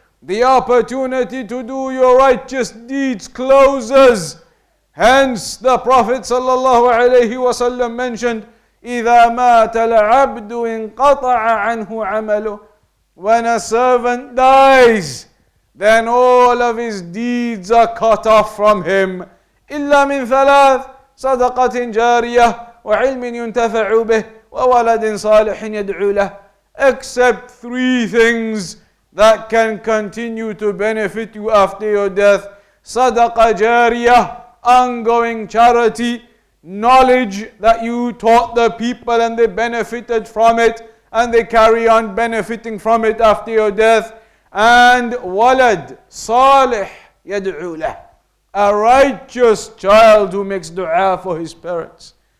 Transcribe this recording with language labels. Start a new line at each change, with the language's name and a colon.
English: The opportunity to do your righteous deeds closes. Hence, the Prophet sallallahu alayhi wa sallam mentioned,
Arabic: إِذَا مَاتَ الْعَبْدُ انْقَطَعَ عَنْهُ عَمَلُهُ.
English: When a servant dies, then all of his deeds are cut off from him.
Arabic: إِلَّا مِنْ ثَلَاثٍ صدقة جارية وعلم ينتفع به وولد صالح يدعو له.
English: Except three things that can continue to benefit you after your death: صدقة جارية, ongoing charity, knowledge that you taught the people and they benefited from it and they carry on benefiting from it after your death, and
Arabic: ولد صالح يدعو له,
English: a righteous child who makes dua for his parents.